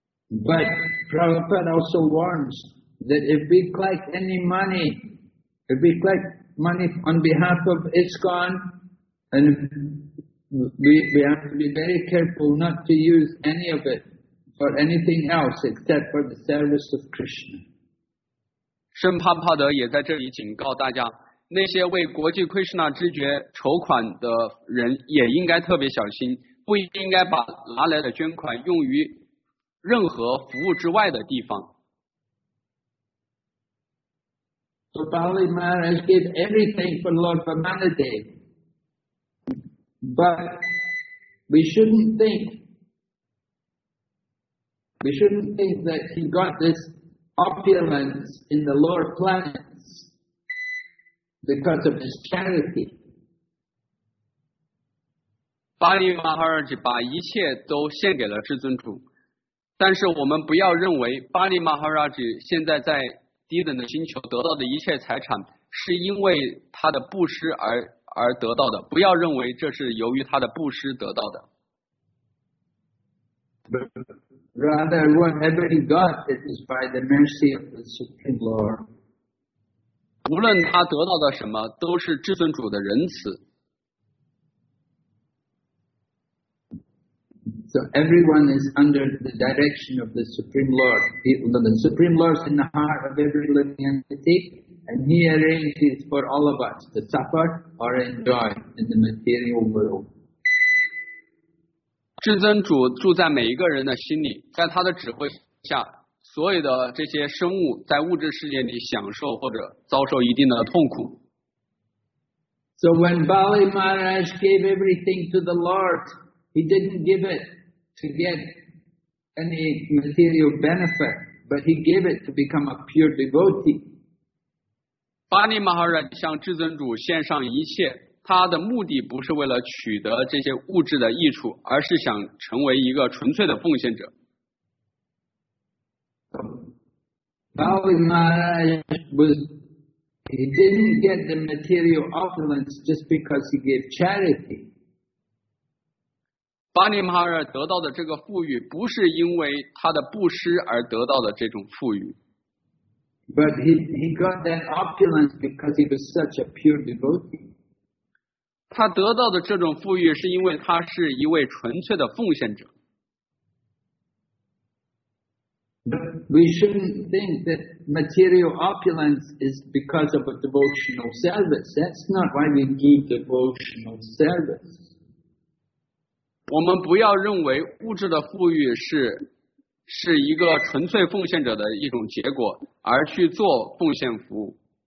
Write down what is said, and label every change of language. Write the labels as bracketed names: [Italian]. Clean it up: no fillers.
[English] But Prabhupada also warns that if we collect any money, if we collect money on behalf of ISKCON, and we have to be very careful not to use any of it for anything else except for the service of Krishna. [Chinese] 圣帕帕德也在这里警告大家，那些为国际 Krishna 知觉筹款的人也应该特别小心，不应该把拿来的捐款用于任何服务之外的地方。 [English] So Bali Maharaj gave everything for Lord Vamanadeva, but we shouldn't think that he got this opulence in the lower planets because of his charity. [Chinese] Bali Maharaj 把一切都献给了至尊主。但是我们不要认为巴利马哈拉吉现在在低等的星球得到的一切财产是因为他的布施而得到的，不要认为这是由于他的布施得到的。 [English] Rather, whatever he got, it is by the mercy of the Supreme Lord. [Chinese] 无论他得到的什么，都是至尊主的仁慈。 [English] So everyone is under the direction of the Supreme Lord. The Supreme Lord is in the heart of every living entity, and he arranges for all of us to suffer or enjoy in the material world. [Chinese] 至尊主住在每一个人的心里，在他的指挥下，所有的这些生物在物质世界里享受或者遭受一定的痛苦。 [English] So when Bali Maharaj gave everything to the Lord, he didn't give it. To get any material benefit, but he gave it to become a pure devotee. [Chinese] Bali Maharaj 向至尊主献上一切，他的目的不是为了取得这些物质的益处，而是想成为一个纯粹的奉献者。 [English] Bali Maharaj was He didn't get the material opulence just because he gave charity. [Chinese] 巴尼马哈尔得到的这个富裕不是因为他的布施而得到的这种富裕。 [English] But he got that opulence because he was such a pure devotee. [Chinese] 他得到的这种富裕是因为他是一位纯粹的奉献者。 [English] But we shouldn't think that material opulence is because of a devotional service. That's not why we give devotional service. [Chinese] 我们不要认为物质的富裕是一个纯粹奉献者的一种结果，而去做奉献服务。